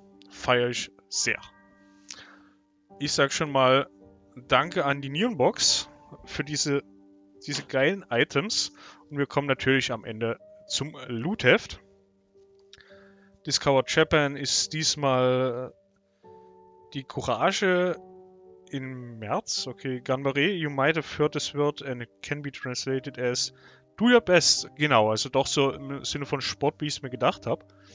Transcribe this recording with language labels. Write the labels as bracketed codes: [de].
[de] Feiere ich sehr. Ich sag schon mal danke an die Neonbox für diese geilen Items. Und wir kommen natürlich am Ende zum Loot-Heft. Discover Japan ist diesmal die Courage im März. [en] Okay, Ganbare, you might have heard this word and it can be translated as do your best. [de] Genau, also doch so im Sinne von Sport, wie ich es mir gedacht habe.